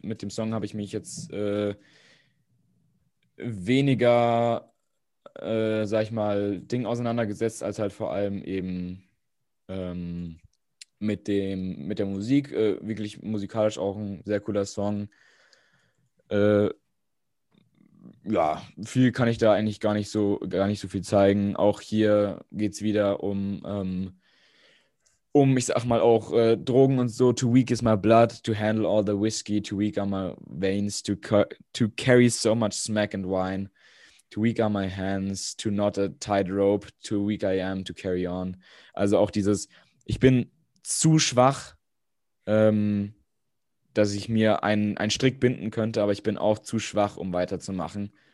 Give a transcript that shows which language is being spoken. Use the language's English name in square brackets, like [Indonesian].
[German] Mit dem Song habe ich mich jetzt weniger, sag ich mal, Ding auseinandergesetzt, als halt vor allem eben mit der Musik. Wirklich musikalisch auch ein sehr cooler Song. Ja, viel kann ich da eigentlich gar nicht so viel zeigen. Auch hier geht es wieder um, ich sag mal, auch Drogen und so. [English] Too weak is my blood to handle all the whiskey. Too weak are my veins to carry so much smack and wine. Too weak are my hands to knot a tight rope. Too weak I am to carry on. [German] Also auch dieses, ich bin zu schwach, dass ich mir einen Strick binden könnte, aber ich bin auch zu schwach, um weiterzumachen.